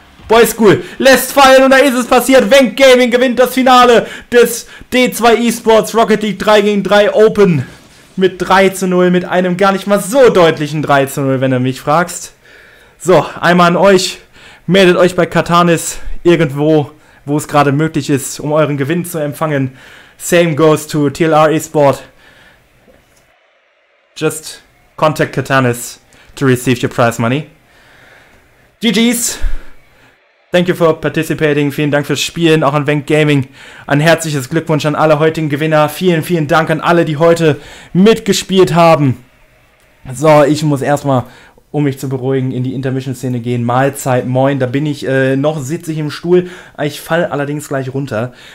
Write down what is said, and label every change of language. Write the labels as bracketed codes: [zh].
[de] Boy School lässt fallen und da ist es passiert. Venk Gaming gewinnt das Finale des D2 eSports Rocket League 3 gegen 3 Open mit 3:0, mit einem gar nicht mal so deutlichen 3:0, wenn du mich fragst. So, einmal an euch. Meldet euch bei Katanis irgendwo, wo es gerade möglich ist, um euren Gewinn zu empfangen. [en] Same goes to TLR eSport. Just contact Katanis to receive your prize money. GG's. Thank you for participating. [de] Vielen Dank fürs Spielen, auch an Venk Gaming. Ein herzliches Glückwunsch an alle heutigen Gewinner. Vielen, vielen Dank an alle, die heute mitgespielt haben. So, ich muss erstmal, um mich zu beruhigen, in die Intermission-Szene gehen. Mahlzeit, moin, da bin ich. Noch sitze ich im Stuhl. Ich falle allerdings gleich runter.